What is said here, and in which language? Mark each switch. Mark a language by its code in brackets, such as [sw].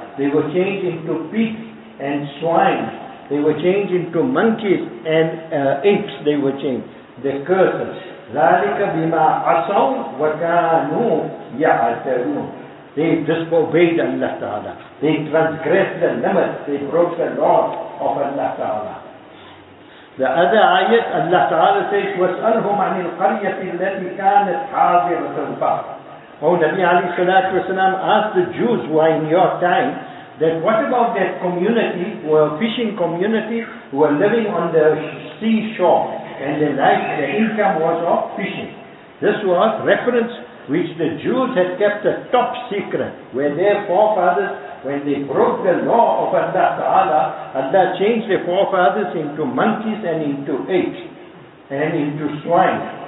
[en] They were changed into pigs and swine. They were changed into monkeys and apes. They were changed. The curses. [ar] ذَلِكَ بِمَا عَصَوْا وَكَانُوا يَعْتَرُونَ. [en] They disobeyed Allah Ta'ala. They transgressed the limit. They broke the law of Allah Ta'ala. The other ayat, Allah Ta'ala says, [ar] وَاسْأَلْهُمْ عَنِ الْقَرْيَةِ الَّتِي كَانَتْ حَاضِرَةً فَارْ. [en] Oh, Nabi alayhi salatu wasalam asked the Jews who are in your time, that what about that community, who are fishing community, who are living on the seashore, and the life, the income was of fishing. This was reference which the Jews had kept a top secret, where their forefathers, when they broke the law of Allah Ta'ala, Allah changed their forefathers into monkeys and into apes and into swine.